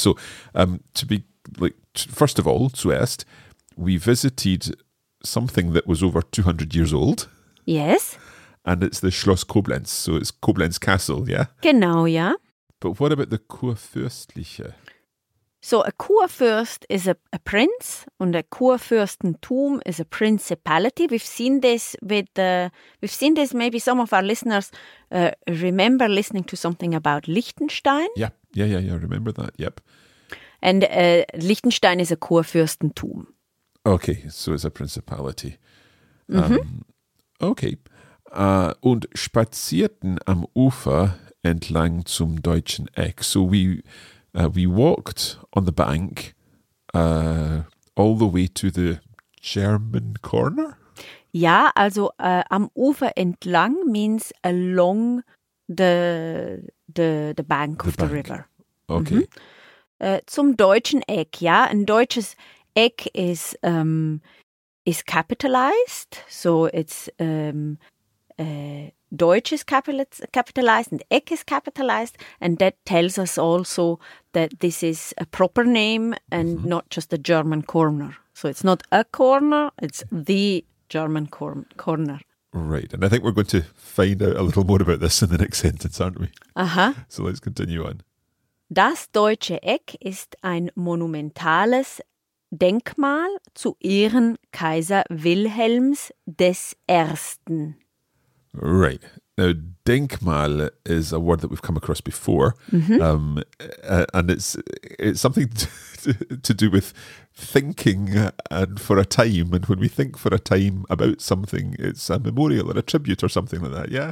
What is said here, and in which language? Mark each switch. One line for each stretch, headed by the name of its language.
English: So,
German: zuerst,
English: we visited something that was over 200 years old. Yes. And it's the Schloss Koblenz, so it's Koblenz Castle, yeah?
German: Genau, yeah.
English: But what about the kurfürstliche? So a kurfürst is a prince, and a kurfürstentum is a principality. We've seen this maybe some of our listeners remember listening to something about Liechtenstein. Yeah, remember that, yep. And Liechtenstein is a kurfürstentum. Okay, so it's a principality. Mm-hmm. Okay.
German: Und spazierten am Ufer entlang zum Deutschen Eck.
English: So we walked on the bank all the way to the German Corner?
German: Ja, also am Ufer entlang
English: means along the bank of the river. Okay. Mm-hmm.
German: Zum Deutschen Eck, ja. Ein deutsches Eck
English: is capitalized, so it's... Deutsch is capitalized and Eck is capitalized, and that tells us also that this is a proper name and mm-hmm. not just a German corner. So it's not a corner, it's the German corner. Right, and I think we're going to find out a little more about this in the next sentence, aren't we? Uh-huh. So let's continue on.
German: Das Deutsche Eck ist ein monumentales Denkmal zu Ehren Kaiser Wilhelms des Ersten.
English: Right. Now, Denkmal is a word that we've come across before, mm-hmm. And it's something to do with thinking and for a time. And when we think for a time about something, it's a memorial or a tribute or something like that, yeah?